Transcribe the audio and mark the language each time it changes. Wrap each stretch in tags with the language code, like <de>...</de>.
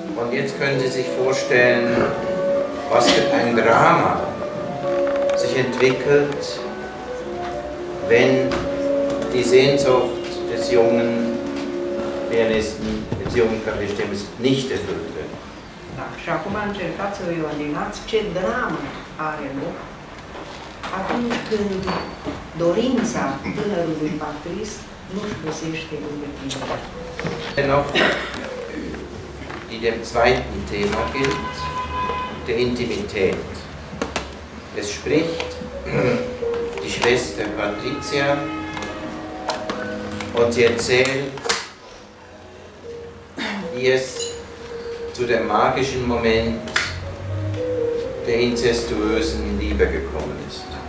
<de>Jetzt können Sie sich vorstellen, was für ein Drama sich entwickelt, wenn die Sehnsucht des jungen Pianisten, des jungen Klavierstimmers, nicht erfüllt wird.</de> <ro>Da, și acum încercați să vă imaginați ce dramă are loc atunci când dorința tânărului patrist nu-și găsește îndeplinirea.</ro> <de>Die dem zweiten Thema gilt, der Intimität. Es spricht die Schwester Patricia und sie erzählt, wie es zu dem magischen Moment der inzestuösen Liebe gekommen ist.</de>